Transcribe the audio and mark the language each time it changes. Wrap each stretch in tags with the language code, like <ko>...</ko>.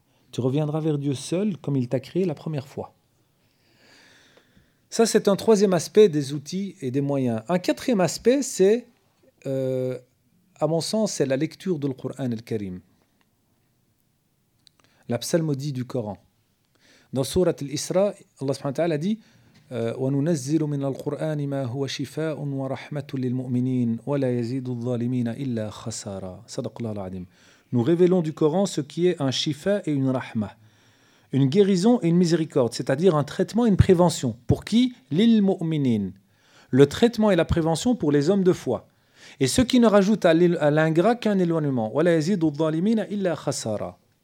<fr>Tu reviendras vers Dieu seul comme il t'a créé la première fois. Ça, c'est un troisième aspect des outils et des moyens. Un quatrième aspect, c'est, à mon sens, c'est la lecture du Coran al-Karim. La psalmodie du Coran. Dans sourate al-Isra, Allah subhanahu wa ta'ala a dit</fr> <ar>« وَنُنَزِّلُ مِنَ الْقُرْآنِ مَا هُوَ شِفَاءٌ وَرَحْمَةٌ لِلْمُؤْمِنِينَ وَلَا يَزِيدُ الظَّالِمِينَ إِلَّا خَسَارًا » Sadaqullah al-Adim.</ar> <fr>Nous révélons du Coran ce qui est un shifa et une rahma. Une guérison et une miséricorde, c'est-à-dire un traitement et une prévention. Pour qui ? Lil mu'minin. Le traitement et la prévention pour les hommes de foi. Et ce qui ne rajoute à l'ingrat qu'un éloignement.</fr> <ar>Wa la yazidu dhalimina illa khasara.</ar>